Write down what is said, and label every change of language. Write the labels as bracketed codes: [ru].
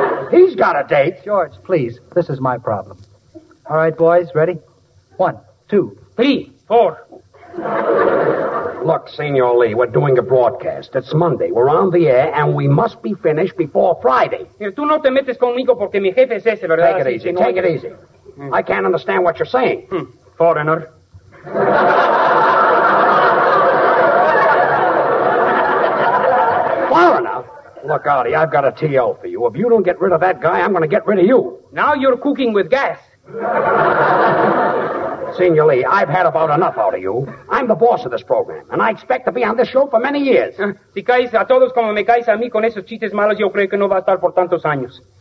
[en] He's got a date. George, please, this is my problem. All right, boys, ready? One, two, three, four. Look, Senor Lee, we're doing a broadcast. It's Monday. We're on the air, and we must be finished before Friday. [es] Tú no te metes conmigo porque mi jefe es ese, ¿verdad? [en] Take it easy. Sí, take it easy. I can't understand what you're saying. Foreigner. Foreigner? Look, Artie, I've got a T.O. for you. If you don't get rid of that guy, I'm going to get rid of you. Now you're cooking with gas. Senior Lee, I've had about enough out of you. I'm the boss of this program, and I expect to be on this show for many years. [es] Si caes a todos como me caes a mí con esos chistes malos, yo creo que no va a estar por tantos años.